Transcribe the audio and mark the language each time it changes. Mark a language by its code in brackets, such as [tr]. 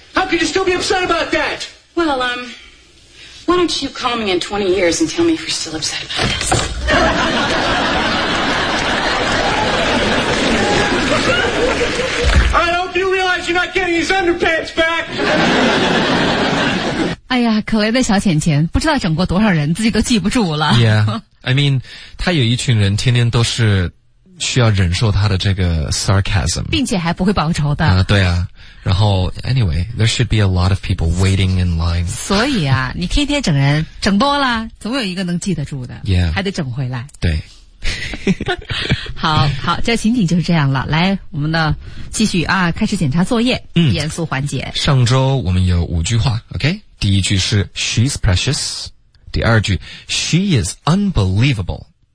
[en] How could you still be upset about that? Well, why don't you call me in 20 years and tell me if you're still upset about this? I hope you realize you're not getting his underpants back. [zh] 哎呀，可怜的小浅浅，不知道整过多少人，自己都记不住了。 [en] Yeah, I mean, [zh] 他有一群人天天都是需要忍受他的这个 sarcasm, 并且还不会报仇的。对啊。 [en] 然后 ，anyway, there should be a lot of people waiting in line. [zh] 所以啊，你天天整人，整多了，总有一个能记得住的。 [en] Yeah. [zh] 还得整回来。对。好好，这情景就是这样了。来，我们呢，继续啊，开始检查作业。嗯。严肃环节。上周我们有五句话 ，OK? 第一句是 [en] She's precious. [zh] 第二句 [en] She is unbelievable.